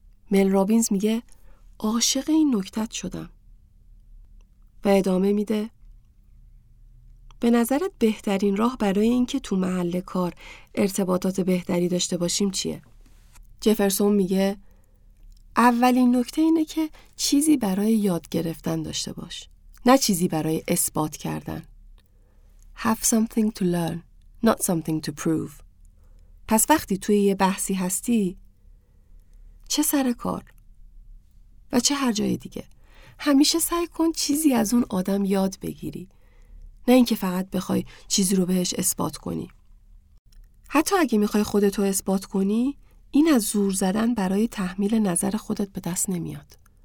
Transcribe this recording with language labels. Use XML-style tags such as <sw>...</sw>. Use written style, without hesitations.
<fa>مل رابینز میگه عاشق این نکتت شدم و ادامه میده به نظرت بهترین راه برای اینکه تو محل کار ارتباطات بهتری داشته باشیم چیه؟ جفرسون میگه اولین نکته اینه که چیزی برای یاد گرفتن داشته باش، نه چیزی برای اثبات کردن.</fa> <en>Have something to learn, not something to prove.</en> <fa>پس وقتی توی یه بحثی هستی، چه سر کار و چه هر جای دیگه، همیشه سعی کن چیزی از اون آدم یاد بگیری، نه اینکه فقط بخوای چیزی رو بهش اثبات کنی. حتی اگه میخوای خودتو اثبات کنی، این از زور زدن برای تحمیل نظر خودت به دست نمیاد.</fa>